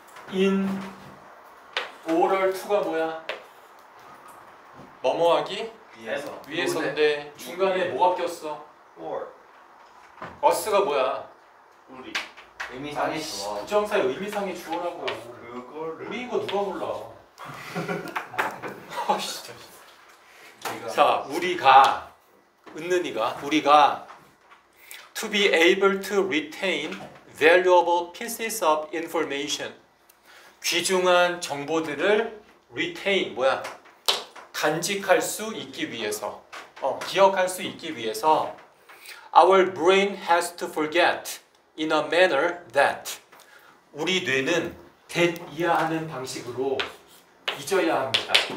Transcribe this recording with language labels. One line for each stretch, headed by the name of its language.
Korean: 인 오럴 투가 뭐야? 뭐뭐하기? 위에서. 위에서인데 중간에 뭐가 꼈어?
English: or.
Korean: 어스가 뭐야? 우리. 의미상의 주어. 부정사의 의미상의 주어라고. 그 그거를 우리 이거 누가 몰라. 자, 우리가 은는이가 우리가
English: to be able to retain valuable pieces of information.
Korean: 귀중한 정보들을 retain 뭐야? 간직할 수 있기 위해서. 기억할 수 있기 위해서
English: our brain has to forget in a manner that
Korean: 우리 뇌는 that 이하하는 방식으로 잊어야 합니다.